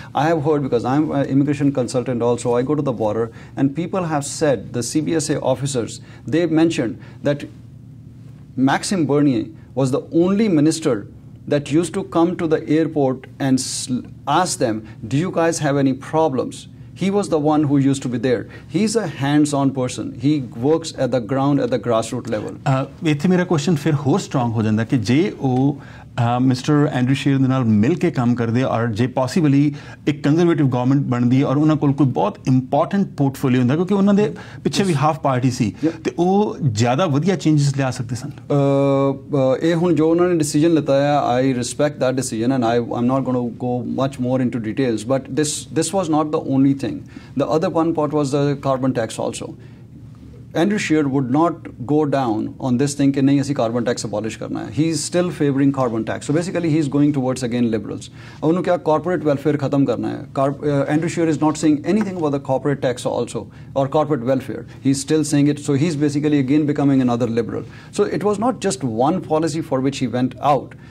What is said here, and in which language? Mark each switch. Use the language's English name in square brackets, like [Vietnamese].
[English] I have heard, because I'm an immigration consultant also, I go to the border and people have said, the CBSA officers, they mentioned that Maxime Bernier was the only minister that used to come to the airport and ask them, do you guys have any problems? He was the one who used to be there. He's a hands-on person. He works at the ground, at the grassroots level. [Punjabi] ਇੱਥੇ ਮੇਰਾ question ਫਿਰ ਹੋਰ strong ਹੋ ਜਾਂਦਾ ਕਿ ਜੇ ਉਹ mister Andrew sheer ਦੇ ਨਾਲ ਮਿਲ ਕੇ ਕੰਮ ਕਰਦੇ ਔਰ ਜੇ ਪੋਸੀਬਲੀ ਇੱਕ ਕੰਜ਼ਰਵੇਟਿਵ ਗਵਰਨਮੈਂਟ ਬਣਦੀ ਔਰ ਉਹਨਾਂ ਕੋਲ ਕੋਈ ਬਹੁਤ ਇੰਪੋਰਟੈਂਟ ਪੋਰਟਫੋਲੀਓ ਹੁੰਦਾ ਕਿਉਂਕਿ ਉਹਨਾਂ ਦੇ ਪਿੱਛੇ ਵੀ ਹਾਫ ਪਾਰਟੀ ਸੀ ਤੇ ਉਹ ਜ਼ਿਆਦਾ ਵਧੀਆ ਚੇਂਜਸ ਲਿਆ ਸਕਦੇ ਸਨ। ਇਹ ਹੁਣ ਜੋ ਉਹਨਾਂ ਨੇ ਡਿਸੀਜਨ ਲਿੱਤਾ ਹੈ, [English] I respect that decision and I am not going to go much more into details, but this was not the only thing. The other one part was the carbon tax also. Andrew Scheer would not go down on this thing [Punjabi] ke nahi asi carbon tax abolish karna hai. [English] He is still favoring carbon tax. So basically he is going towards again liberals. [Hindi] Unko kya corporate welfare khatam karna hai? [English] Andrew Scheer is not saying anything about the corporate tax also or corporate welfare. He is still saying it. So he is basically again becoming another liberal. So it was not just one policy for which he went out.